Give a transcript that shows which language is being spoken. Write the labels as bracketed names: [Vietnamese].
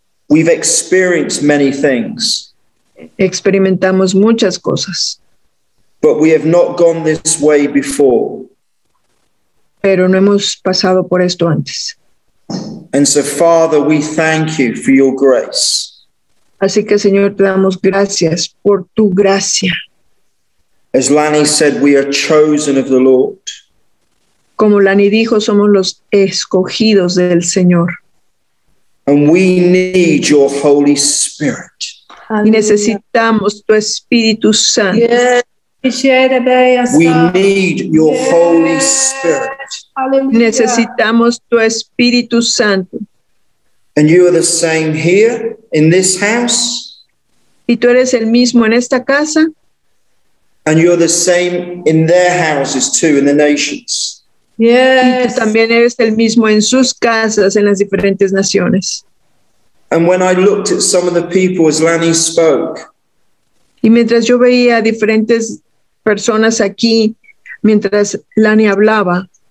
[English] We've experienced many things. [Spanish] Experimentamos muchas cosas. [English] But we have not gone this way before. [Spanish] Pero no hemos pasado por esto antes. [English] And so, Father, we thank you for your grace. [Spanish] Así que, Señor, te damos gracias por tu gracia. [English] As Lanny said, we are chosen of the Lord. [Spanish] Como Lanny dijo, somos los escogidos del Señor. [English] And we need your Holy Spirit. [Spanish] Y necesitamos tu Espíritu Santo. [English] Yeah. We need your Holy Spirit. [Spanish] Hallelujah. Necesitamos tu Espíritu Santo. [English] And you are the same here in this house. [Spanish] Y tú eres el mismo en esta casa. [English] And you're the same in their houses too, in the nations. Yes. [Spanish] Y tú también eres el mismo en sus casas, en las diferentes naciones. [English] And when I looked at some of the people as Lanny spoke, [Spanish] y mientras yo veía diferentes personas aquí, mientras Lanny hablaba,